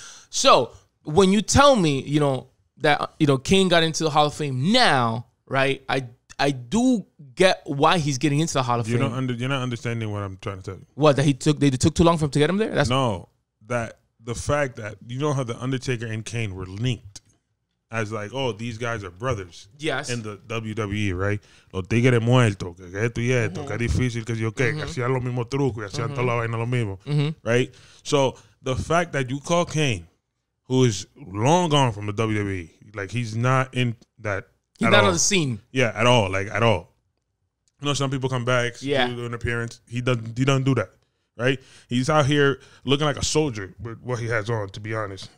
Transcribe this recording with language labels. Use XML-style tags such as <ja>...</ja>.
<en>So when you tell me, you know, that, you know, Kane got into the Hall of Fame now, right? I do get why he's getting into the Hall of Fame. You're not understanding what I'm trying to tell you. What, that they took too long for him to get him there? That the fact that, you know how The Undertaker and Kane were linked as like, oh, these guys are brothers. Yes. In the WWE, right?</en> <es>Los tigres muertos, que esto y esto, que difícil, que si yo que, que hacía lo mismo truco, que hacía toda la vaina lo mismo, right?</es> <en>So the fact that you call Kane, who is long gone from the WWE. Like, he's not in that. He's not on the scene. Yeah, at all. Like, at all. You know, some people come back. Yeah. Do an appearance. He doesn't do that. Right? He's out here looking like a soldier with what he has on, to be honest.</en>